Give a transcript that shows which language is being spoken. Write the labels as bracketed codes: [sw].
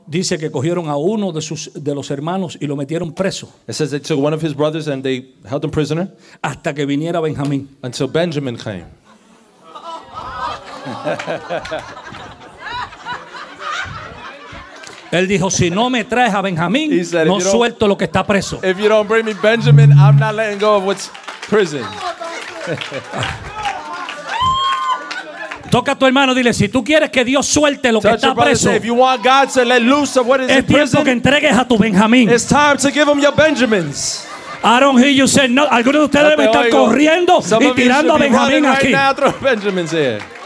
[es] Dice que cogieron a uno de sus de los hermanos y lo metieron preso. [en] It says they took one of his brothers and they held him prisoner. [es] Hasta que viniera Benjamín. [en] Until Benjamin came. [es] Él dijo, si no me traes a Benjamín, no suelto lo que está preso. [en] If you don't bring me Benjamin, I'm not letting go of what's prison. [es] Toca a tu hermano, dile, si tú quieres que Dios suelte lo [en] Touch [es] que está preso, [en] say, if you want God to let loose of what is [es] es tiempo [en] in prison, [es] que entregues a tu Benjamín. [en] It's time to give him your Benjamins. I don't hear you say no. [es] Algunos de ustedes deben estar corriendo [en] Some [es] y tirando a Benjamín [en] right [es] aquí. [en] Now, throw Benjamins here.